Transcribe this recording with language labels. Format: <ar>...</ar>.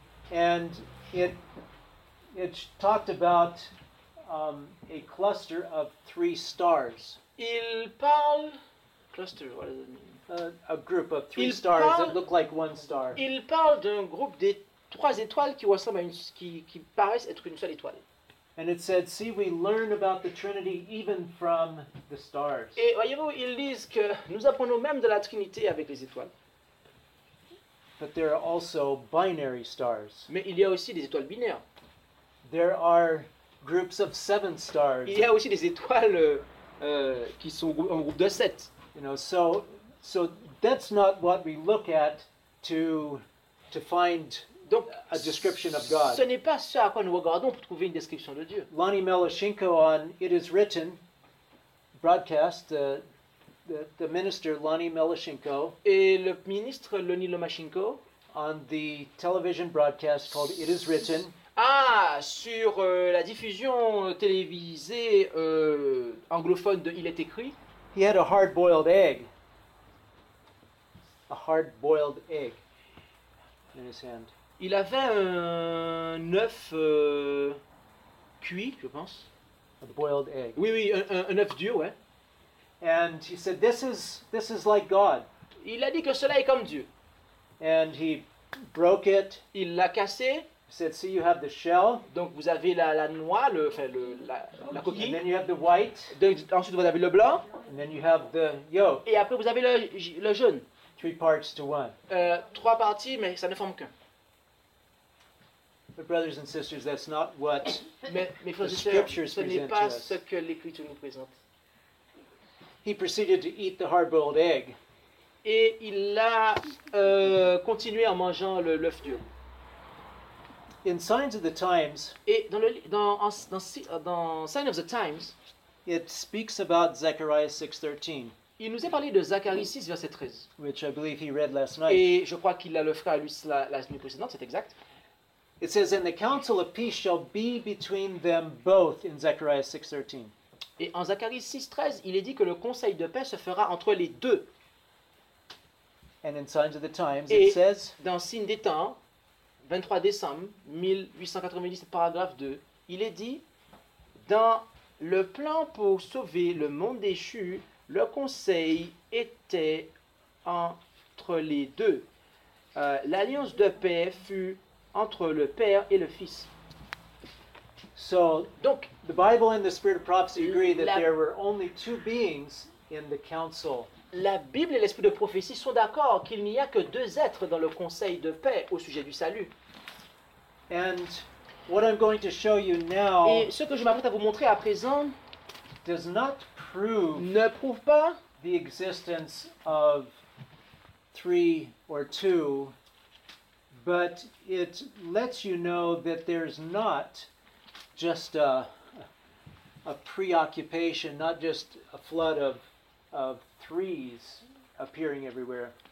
<en>and it talked about a cluster of three stars.</en> <fr>Il parle</fr> <en>cluster. What does it mean? A group of three stars that look like one star.</en> <fr>Il parle d'un groupe de trois étoiles qui ressemblent à une qui paraissent être une seule étoile.</fr> <en>And it said, "See, we learn about the Trinity even from the stars."</en> <fr>Et voyez-vous, ils disent que nous apprenons même de la Trinité avec les étoiles.</fr> <en>But there are also binary stars.</en> <fr>Mais il y a aussi des étoiles binaires.</fr> <en>There are groups of seven stars.</en> <fr>Il y a aussi des étoiles qui sont en groupe de sept.</fr> <en>You know, so that's not what we look at to find.</en> <fr>Donc,</fr> <en>a description of God.</en> <fr>Ce n'est pas ce à quoi nous regardons pour trouver une description de Dieu.</fr> <en>Lonnie Meloshenko on It Is Written broadcast, the minister Lonnie Meloshenko,</en> <fr>et le ministre Lonnie Lomachenko</fr> <en>on the television broadcast called It Is Written.</en> <fr>Ah, sur la diffusion télévisée anglophone de Il Est Écrit.</fr> <en>He had a hard-boiled egg. A hard-boiled egg in his hand.</en> <fr>Il avait un œuf cuit, je pense.</fr> <en>A boiled egg.</en> <fr>Oui, un œuf dur, ouais.</fr> <en>And he said, this is like God.</en> <fr>Il a dit que cela est comme Dieu.</fr> <en>And he broke it.</en> <fr>Il l'a cassé.</fr> <en>He said, see, you have the shell.</en> <fr>Donc vous avez la noix, la coquille.</fr> <en>And then you have the white.</en> <fr>Ensuite vous avez le blanc.</fr> <en>And then you have the yolk.</en> <fr>Et après vous avez le jaune.</fr> <en>Three parts to one.</en> <fr>Trois parties, mais ça ne forme qu'un.</fr> <en>But brothers and sisters, that's not what the scriptures present to us.</en> <fr>Ce n'est pas ce que l'écriture nous présente.</fr> <en>He proceeded to eat the hard-boiled egg.</en> <fr>Et il a continué en mangeant l'œuf dur.</fr> <en>In Signs of the Times.</en> <fr>Et dans Sign of the Times,</fr> <en>it speaks about Zechariah 6:13.</en> <fr>Il nous est parlé de Zacharie 6, verset 13.</fr> <en>Which I believe he read last night.</en> <fr>Et je crois qu'il l'a le frère lu la nuit précédente, c'est exact.</fr> <en>It says, and the council of peace shall be between them both in Zechariah 6:13.</en> <fr>Et en Zacharie 6:13, il est dit que le conseil de paix se fera entre les deux.</fr> <en>And in signs of the times,</en> <fr>et</fr> <en>it says,</en> <fr>dans signe des temps, 23 décembre 1890, paragraphe 2, il est dit, dans le plan pour sauver le monde déchu, le conseil était entre les deux. L'alliance de paix fut entre le Père et le Fils.</fr> <en>So,</en> <fr>donc,</fr> <en>the Bible and the spirit of prophecy agree that there were only two beings in the council.</en> <fr>La Bible et l'esprit de prophétie sont d'accord qu'il n'y a que deux êtres dans le conseil de paix au sujet du salut.</fr> <en>And what I'm going to show you now,</en> <fr>et ce que je m'apprête à vous montrer à présent,</fr> <en>does not prove,</en> <fr>ne prouve pas</fr> <en>the existence of three or two, but it lets you know that there's not just a preoccupation, not just a flood of threes appearing everywhere.</en>